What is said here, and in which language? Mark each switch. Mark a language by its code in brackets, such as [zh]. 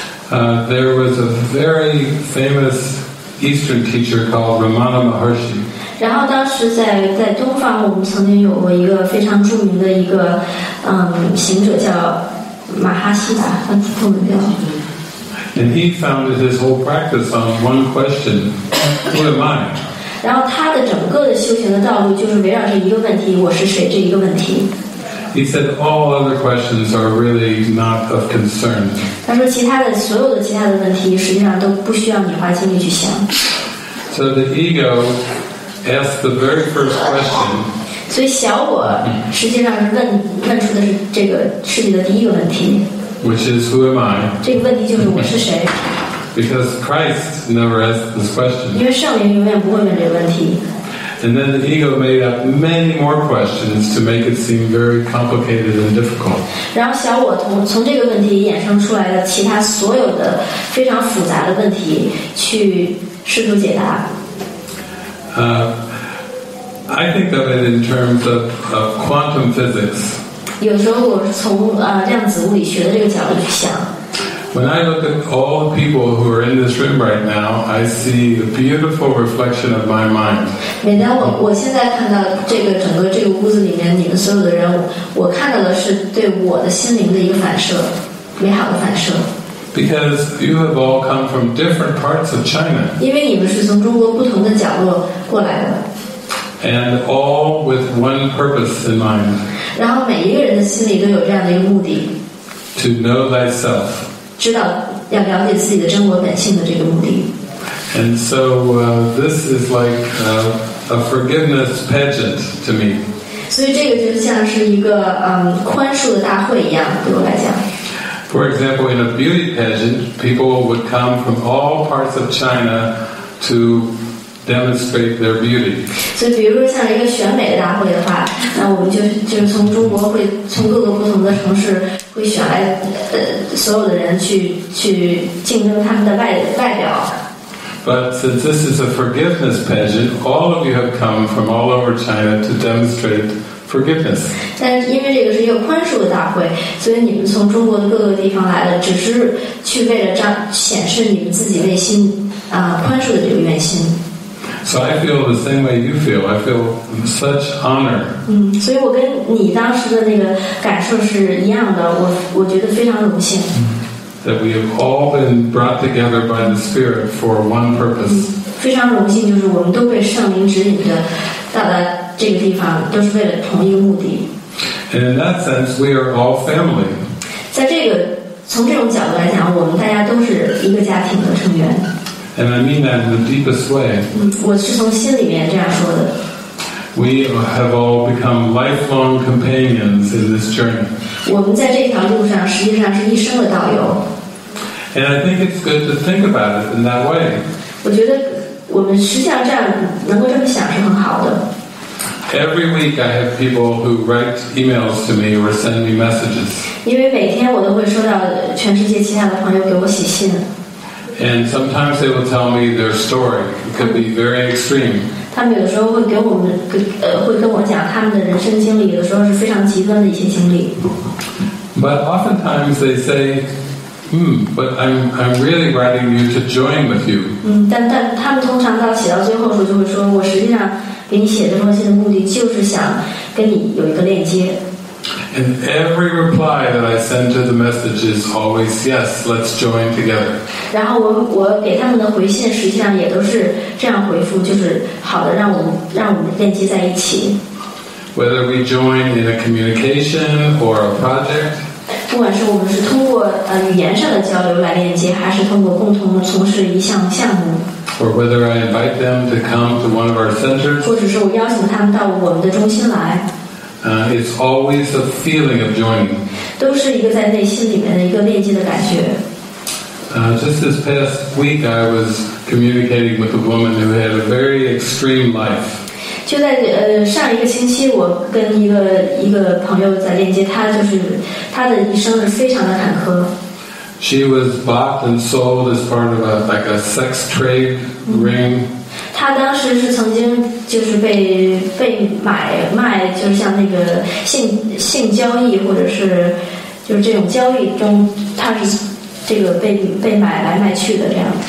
[en] There was a very famous Eastern teacher called Ramana Maharshi. [zh] 然后当时在东方我们曾经有过一个非常著名的一个行者叫马哈希达，他是著名的。 [en] And he founded his whole practice on one question, who am I? [zh] 然后他的整个的修行的道路就是围绕着一个问题，我是谁这一个问题。 [en] He said all other questions are really not of concern. [zh] 他说其他的所有的其他的问题实际上都不需要你花精力去想。 [en] So the ego asked the very first question. [zh] 所以小我实际上是问出的是这个世界的第一个问题。 [en] Which is who am I? [zh] 这个问题就是我是谁。 [en] Because Christ never asked this question. [zh] 因为圣灵永远不会问这个问题。 [en] And then the ego made up many more questions to make it seem very complicated and difficult. [zh] 然后小我从这个问题衍生出来的其他所有的非常复杂的问题去试图解答。 [en] I think of it in terms of quantum physics. [zh] 有时候我从量子物理学的这个角度去想。 [en] When I look at all the people who are in this room right now, I see a beautiful reflection of my mind. [zh] 每当我现在看到这个屋子里面你们所有的人，我看到的是对我的心灵的一个反射，美好的反射。 [en] Because you have all come from different parts of China. [zh] 因为你们是从中国不同的角落过来的。 [en] And all with one purpose in mind. [zh] 然后每一个人的心里都有这样的一个目的。 [en] To know thyself. [zh] 知道要了解自己的真我本性的这个目的。 [en] And so this is like a forgiveness pageant to me. [zh] 所以这个就像是一个宽恕的大会一样，对我来讲。 [en] For example, in a beauty pageant, people would come from all parts of China to demonstrate their beauty. [zh] So, 比如说像一个选美大会的话，那我们就是从中国会从各个不同的城市会选来所有的人去竞争他们的外表。 [en] But since this is a forgiveness pageant, all of you have come from all over China to demonstrate forgiveness. [zh] 但是因为这个是一个宽恕的大会，所以你们从中国的各个地方来了，只是去为了显示你们自己内心宽恕的这个愿心。 [en] So I feel the same way you feel. I feel such honor. [zh] 所以我跟你当时的那个感受是一样的。我觉得非常荣幸。 [en] That we have all been brought together by the Spirit for one purpose. [zh] 非常荣幸，就是我们都被圣灵指引着到了这个地方，都是为了同一个目的。 [en] And in that sense, we are all family. [zh] 在这个从这种角度来讲，我们大家都是一个家庭的成员。 [en] And I mean that in the deepest way. [zh] 我是从心里面这样说的。 [en] We have all become lifelong companions in this journey. [zh] 我们在这条路上实际上是一生的导游。 [en] And I think it's good to think about it in that way. [zh] 我觉得我们实际上这样能够这么想是很好的。 [en] Every week I have people who write emails to me or send me messages. [zh] 因为每天我都会收到全世界其他的朋友给我写信。 [en] And sometimes they will tell me their story. It could be very extreme. [zh] 他们有时候会给我们会跟我讲他们的人生经历，有时候是非常极端的一些经历。 [en] But oftentimes they say, but I'm really writing you to join with you. [zh] 但他们通常到写到最后的时候就会说，我实际上给你写这封信的目的就是想跟你有一个链接。 [en] And every reply that I send to the message is always, yes, let's join together. [zh] 然后我给他们的回信实际上也都是这样回复，就是好的，让我们链接在一起。 [en] Whether we join in a communication or a project, [zh] 不管是我们是通过语言上的交流来链接，还是通过共同的从事一项项目。 [en] Or whether I invite them to come to one of our centers, [zh] 或者是我邀请他们到我们的中心来。 [en] It's always a feeling of joining. [zh] 都是一个在内心里面的一个链接的感觉。 [en] Just this past week, I was communicating with a woman who had a very extreme life. [zh] 就在上一个星期，我跟一个朋友在链接，她的一生是非常的坎坷。 [en] She was bought and sold as part of a sex trade ring. [zh] 她当时是曾经就是被买卖，就是像那个性交易，或者是就是这种交易中，她是这个被买来卖去的这样。